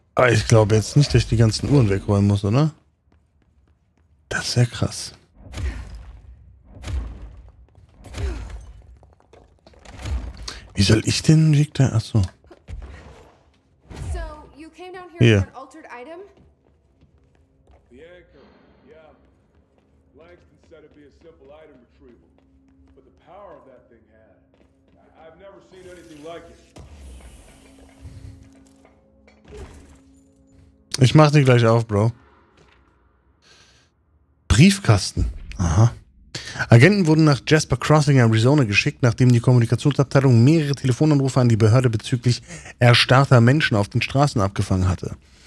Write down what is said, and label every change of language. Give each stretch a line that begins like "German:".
German: Ich glaube jetzt nicht, dass ich die ganzen Uhren wegräumen muss, oder? Das ist ja krass. Wie soll ich den Weg da... Achso.
English: came down here for an altered item? The anchor, yeah. Langston said it'd be a simple item retrieval. But the power of that thing had. I've never seen anything like it.
German: Ich mach die gleich auf, Bro. Briefkasten. Aha. Agenten wurden nach Jasper Crossing, Arizona geschickt, nachdem die Kommunikationsabteilung mehrere Telefonanrufe an die Behörde bezüglich erstarrter Menschen auf den Straßen abgefangen hatte.